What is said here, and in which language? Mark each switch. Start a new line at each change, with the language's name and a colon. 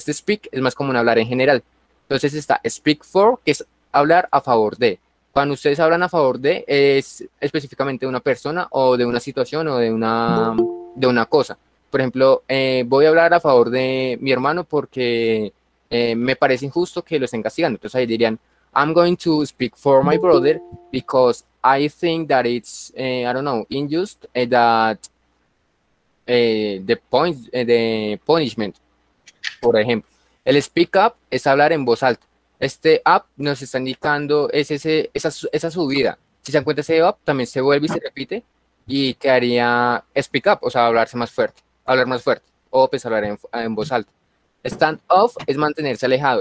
Spanish: Este speak es más como un hablar en general. Entonces está speak for, que es hablar a favor de. Cuando ustedes hablan a favor de, es específicamente de una persona o de una situación o de una cosa. Por ejemplo, voy a hablar a favor de mi hermano porque me parece injusto que lo estén castigando. Entonces ahí dirían,
English: I'm going to speak for my brother because I think that it's, unjust that the punishment,
Spanish: por ejemplo. El speak up es hablar en voz alta. Este up nos está indicando esa subida. Si se encuentra ese up, también se vuelve y se repite y quedaría speak up, o sea, hablar más fuerte. Up es hablar en voz alta. Stand off es mantenerse alejado.